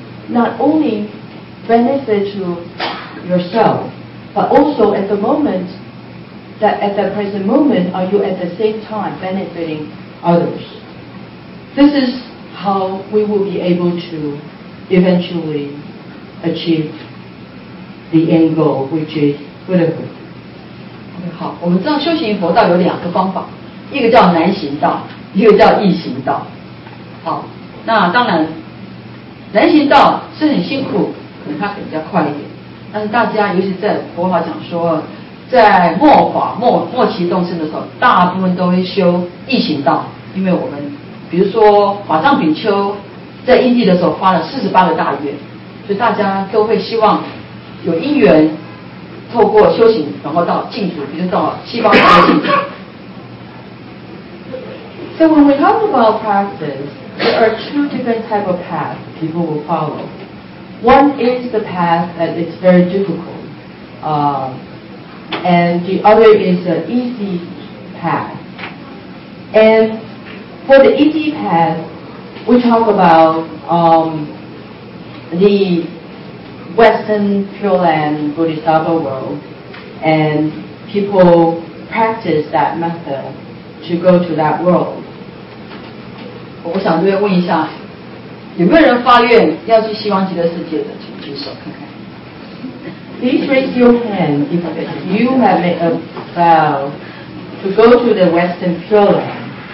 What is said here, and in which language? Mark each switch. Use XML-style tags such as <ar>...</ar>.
<en>Not only benefit to yourself, but also at the moment, that at the present moment, are you at the same time benefiting? Others. This is how we will be able to eventually achieve the end goal, which is Buddhahood.</en> <zh>Okay, 好，我们知道修行佛道有两个方法，一个叫难行道，一个叫易行道。好，那当然，难行道是很辛苦，可能它比较快一点。但是大家，尤其在佛法讲说，在末法末期动身的时候，大部分都会修易行道。因为我们比如说法藏比丘在因地的时候发了48个大愿，所以大家都会希望有因缘透过修行然后到净土，比如到西方极乐净土。</zh> <en>So when we talk about practice, there are two different type of path people will follow. One is the path that is very difficult, and the other is an easy path. AndFor the easy path, we talk about the Western Pure Land Bodhisattva world, and people practice that method to go to that world.</en> <zh>我想这边问一下，有没有人发愿要去西方极乐世界的？请举手看看。</zh> <en>Please raise your hand if you have made a vow to go to the Western Pure Land.</en>